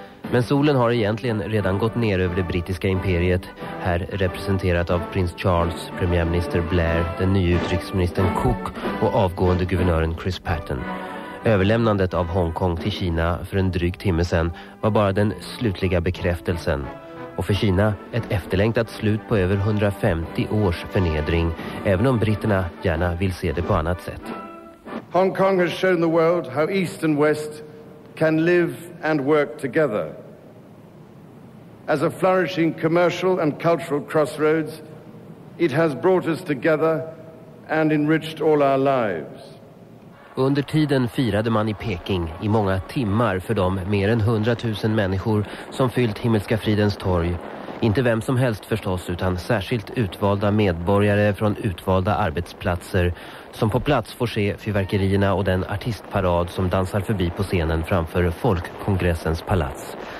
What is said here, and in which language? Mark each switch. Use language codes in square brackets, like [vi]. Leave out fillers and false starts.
[sv] Men solen har egentligen redan gått ner över det brittiska imperiet, här representerat av prins Charles, premiärminister Blair, den nya utrikesministern Cook och avgående guvernören Chris Patten. Överlämnandet av Hongkong till Kina för en dryg timme sedan var bara den slutliga bekräftelsen. Och för Kina ett efterlängtat slut på över 150 års förnedring, även om britterna gärna vill se det på annat sätt. [en] Hong Kong has shown the world how East and West can live and work together. As a flourishing commercial and cultural crossroads, it has brought us together and enriched all our lives. [sv] Under tiden firade man i Peking i många timmar för de mer än 100 000 människor som fyllt Himmelska fridens torg. Inte vem som helst förstås, utan särskilt utvalda medborgare från utvalda arbetsplatser som på plats får se fyrverkerierna och den artistparad som dansar förbi på scenen framför folkkongressens palats.